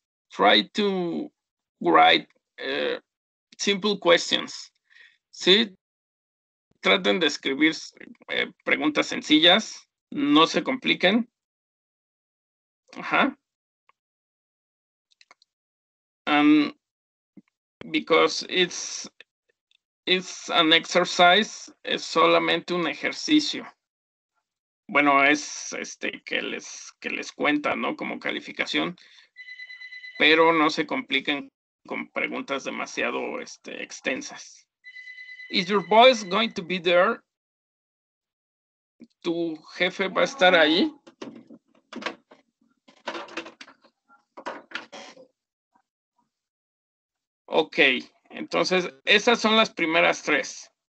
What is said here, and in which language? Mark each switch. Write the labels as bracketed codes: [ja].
[en] Try to write simple questions. [es] ¿Sí? Traten de escribir preguntas sencillas. No se compliquen. Ajá. [en] Because it's an exercise, [es] es solamente un ejercicio. Bueno, es que les cuenta, ¿no? Como calificación, pero no se compliquen con preguntas demasiado extensas. [en] Is your boss going to be there? [es] ¿Tu jefe va a estar ahí? Ok, entonces esas son las primeras 3.